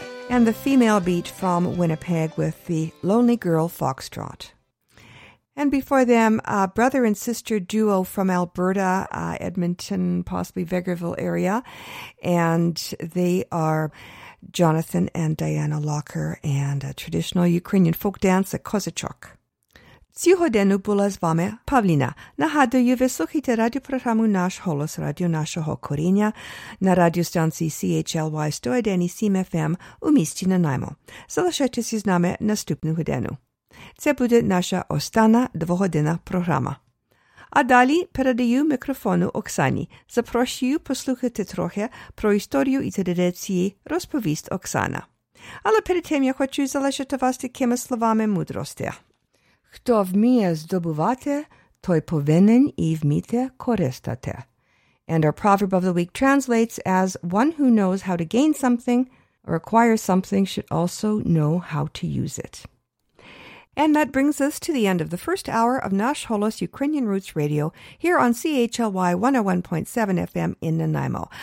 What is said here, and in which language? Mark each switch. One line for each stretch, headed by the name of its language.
English: And the female beat from Winnipeg with the Lonely Girl Foxtrot. And before them, a brother and sister duo from Alberta, Edmonton, possibly Vegreville area. And they are Jonathan and Diana Locker and a traditional Ukrainian folk dance at Kozachok.
Ukrainian: Сьогодні була з вами Павліна. Нагадую, ви слухаєте радіопрограму «Наш голос», радіо нашого коріння на радіостанції CHLY 101.7 FM у місті Нанаймо. Залишайтеся з нами наступну годину. Це буде наша остання двогодинна програма. А далі передаю мікрофону Оксані. Запрошую послухати трохи про історію і традиції «Розповість Оксана». Але перед тим я хочу залишити вас такими словами мудрості. Хто вміє здобувати, той повинен і вміти користати.
English: And our proverb of the week translates as, one who knows how to gain something or acquire something should also know how to use it. And that brings us to the end of the first hour of Nash Holos Ukrainian Roots Radio here on CHLY 101.7 FM in Nanaimo.